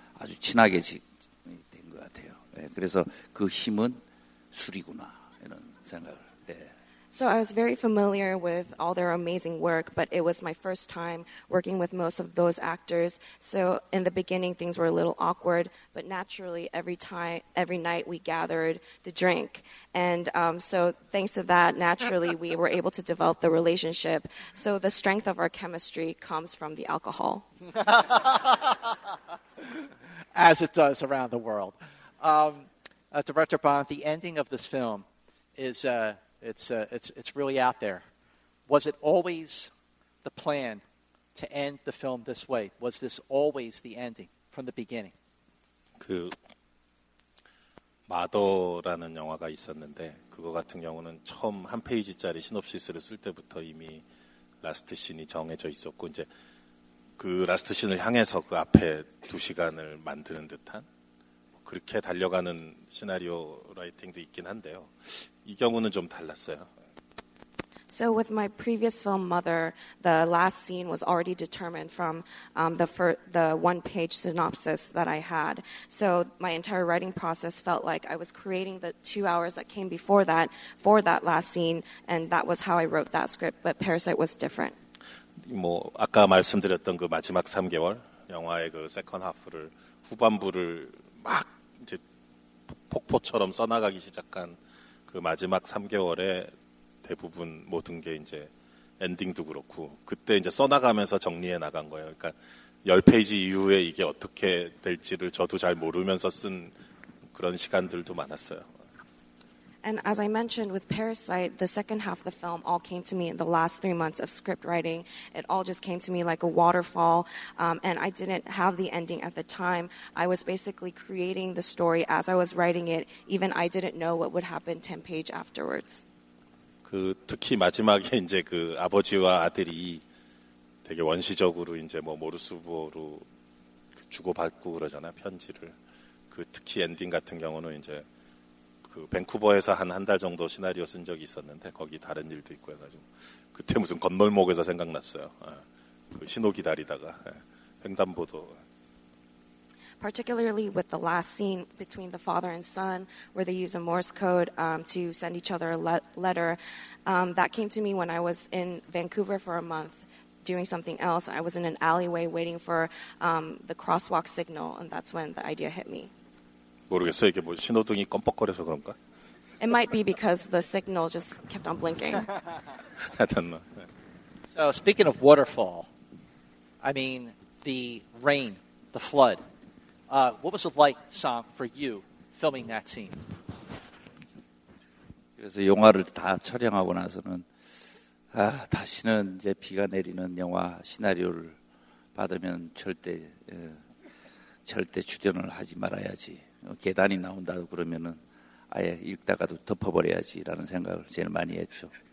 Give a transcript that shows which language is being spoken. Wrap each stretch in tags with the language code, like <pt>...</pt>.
<ko>아주 친하게 된 것 같아요. 네, 그래서 그 힘은 술이구나 이런 생각을. 네.</ko> <en>So I was very familiar with all their amazing work, but it was my first time working with most of those actors. So in the beginning, things were a little awkward, but naturally, every night we gathered to drink. And so thanks to that, naturally, we were able to develop the relationship. So the strength of our chemistry comes from the alcohol. As it does around the world. Director Bond, the ending of this film is... It's really out there. Was it always the plan to end the film this way? Was this always the ending from the beginning?</en> <ko>그 마더라는 영화가 있었는데 그거 같은 경우는 처음 한 페이지짜리 시놉시스를 쓸 때부터 이미 라스트 씬이 정해져 있었고 이제 그 라스트 씬을 향해서 그 앞에 두 시간을 만드는 듯한 그렇게 달려가는 시나리오 라이팅도 있긴 한데요. 이 경우는 좀 달랐어요.</ko> <en>So with my previous film Mother, the last scene was already determined from the one-page synopsis that I had. So my entire writing process felt like I was creating the 2 hours that came before that for that last scene, and that was how I wrote that script. But Parasite was different.</en> <ko>뭐 아까 말씀드렸던 그 마지막 3개월 영화의 그 세컨 하프를 후반부를 막 이제 폭포처럼 써나가기 시작한. 그 마지막 3개월에 대부분 모든 게 이제 엔딩도 그렇고 그때 이제 써나가면서 정리해 나간 거예요. 그러니까 10페이지 이후에 이게 어떻게 될지를 저도 잘 모르면서 쓴 그런 시간들도 많았어요.</ko> <en>And as I mentioned with Parasite, the second half of the film all came to me in the last 3 months of script writing. It all just came to me like a waterfall, and I didn't have the ending at the time. I was basically creating the story as I was writing it. Even I didn't know what would happen 10 pages afterwards.</en> <ko>그 특히 마지막에 이제 그 아버지와 아들이 되게 원시적으로 이제 뭐 모르스보로 주고받고 그러잖아 편지를. 그 특히 엔딩 같은 경우는 이제 그 밴쿠버에서 한 달 정도 시나리오 쓴 적이 있었는데 거기 다른 일도 있고 해가지고 그때 무슨 건널목에서 생각났어요. 그 신호 기다리다가 횡단보도.</ko> <en>Particularly with the last scene between the father and son, where they use a Morse code to send each other a letter, that came to me when I was in Vancouver for a month doing something else. I was in an alleyway waiting for the crosswalk signal, and that's when the idea hit me.</en> <ko>모르겠어요. 이게 뭐 신호등이 껌뻑거려서 그런가?</ko> <en>It might be because the signal just kept on blinking. I don't know. So speaking of waterfall, I mean the rain, the flood. What was it like, Song, for you filming that scene?</en> <ko>그래서 영화를 다 촬영하고 나서는 아 다시는 이제 비가 내리는 영화 시나리오를 받으면 절대 출연을 하지 말아야지. 계단이 나온다고 그러면은 아예 읽다가도 덮어버려야지라는 생각을 제일 많이 했죠.</ko>